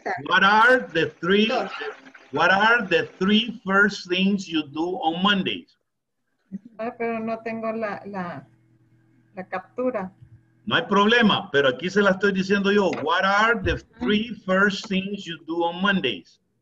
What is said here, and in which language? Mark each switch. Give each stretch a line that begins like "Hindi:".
English: What are the three first things you do on Mondays?
Spanish: Ah, pero no tengo la captura. No hay problema, pero aquí se la estoy diciendo yo.
English: What are the three first things you do on Mondays?